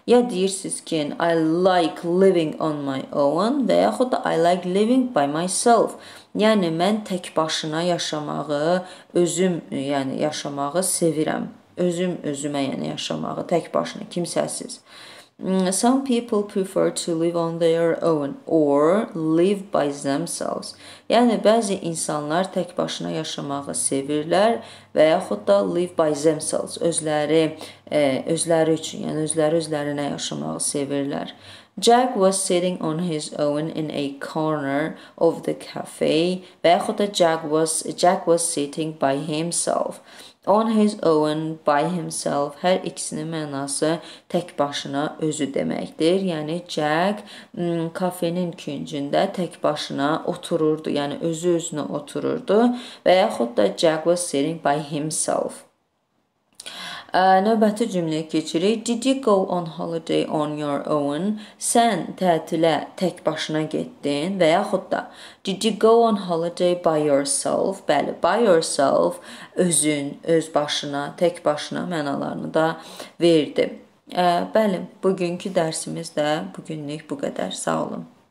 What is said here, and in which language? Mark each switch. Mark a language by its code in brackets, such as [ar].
[az] Ya deyirsiniz ki, [en] I like living on my own [az] və yaxud da [en] I like living by myself. [az] Yəni, mən tək başına yaşamağı, özüm yəni yaşamağı sevirəm. Özüm özümə yəni yaşamağı, tək başına, kimsəsiz. [en] Some people prefer to live on their own or live by themselves. [az] Yəni, bəzi insanlar tək başına yaşamağı sevirlər və yaxud da [en] live by themselves, [az] özləri, özləri üçün, yəni özləri özlərinə yaşamağı sevirlər. [en] Jack was sitting on his own in a corner of the cafe. [az] Və yaxud da [en] Jack was sitting by himself. On his own, by himself, [az] hər ikisinin mənası tək başına özü deməkdir. Yəni, Jack kafenin küncündə tək başına otururdu, yəni özü-özünə otururdu. Və yaxud da [en] Jack was sitting by himself. [az] Növbəti cümləyə keçirik. [en] Did you go on holiday on your own? [az] Sən tətilə tək başına getdin və yaxud da [en] Did you go on holiday by yourself? [az] Bəli, [en] by yourself [az] özün, öz başına, tək başına mənalarını da verdi. Bəli, bugünkü dərsimiz də bugünlük bu qədər. Sağ olun.